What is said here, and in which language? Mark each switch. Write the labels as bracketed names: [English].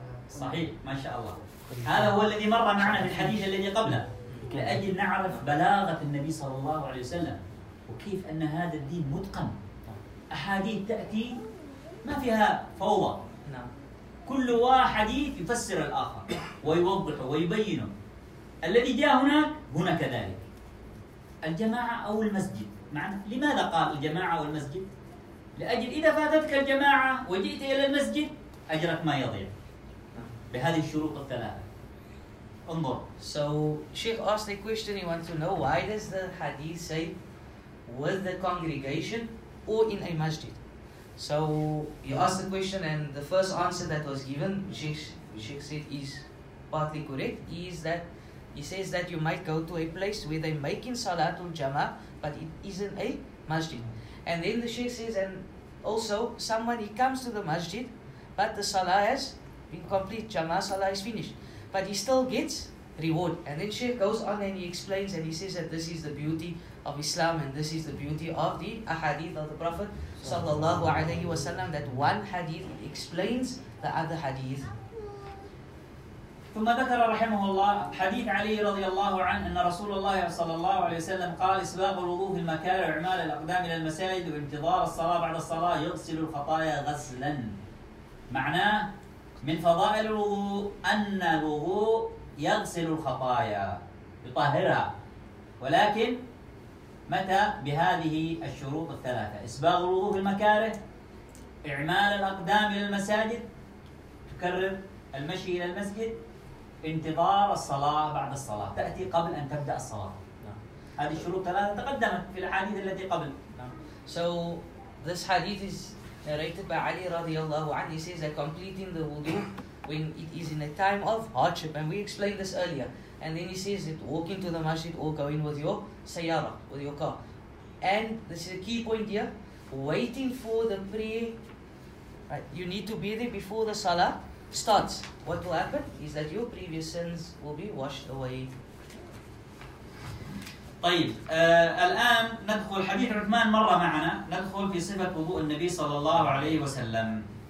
[Arabic] صحيح ما شاء الله هذا هو الذي مر معنا في الحديث الذي قبله لأجل نعرف بلاغة النبي صلى الله عليه وسلم وكيف أن هذا الدين متقن أحاديث تأتي ما فيها فوضى كل واحد يفسر الآخر ويوضح ويبينه الذي جاء هنا كذلك الجماعة أو المسجد معنا لماذا قال الجماعة أو المسجد لأجل إذا فاتتك الجماعة وجئت إلى المسجد أجرك ما يضيع بهذه الشروط الثلاثة [English] So, Sheikh asked the question, he wants to know, why does the hadith say with the congregation or in a masjid? So, he asked the question and the first answer that was given, Sheikh said is partly correct, is that he says that you might go to a place where they're making salatul jama'ah, but it isn't a masjid. And then the Sheikh says, and also, somebody comes to the masjid, but the salah has been complete, jama'ah salah is finished. But he still gets reward. And then Sheikh goes on and he explains and he says that this is the beauty of Islam and this is the beauty of the ahadith of the Prophet sallallahu alayhi wa sallam that one hadith explains the other hadith. [Arabic] ثم ذكر رحمه الله حديث علي رضي الله عنه أن رسول الله صلى الله عليه وسلم قال إسباب الوضوء في المكاره وإعمال الأقدام إلى المساجد وانتظار الصلاة بعد الصلاة يغسل الخطايا غسلا. معناه من فضائل الوضوء أن الوضوء يغسل الخطايا يطهرها، ولكن متى؟ بهذه الشروط الثلاثة: إسباب الوضوء في المكاره، إعمال الأقدام إلى المساجد، تكرر المشي إلى المسجد، انتظار الصلاة بعد الصلاة، تأتي قبل أن تبدأ الصلاة. هذه الشروط الثلاثة تقدمت في الحديث التي قبل. [English] So this hadith is narrated by Ali radiallahu anhu. He says that completing the wudu when it is in a time of hardship, and we explained this earlier, and then he says that walking to the masjid or going with your sayara, with your car, and this is a key point here, waiting for the prayer, right? You need to be there before the salah starts. What will happen is that your previous sins will be washed away. [Arabic] طيب الآن ندخل حديث عثمان مرة معنا، ندخل في صفة وضوء النبي صلى الله عليه وسلم.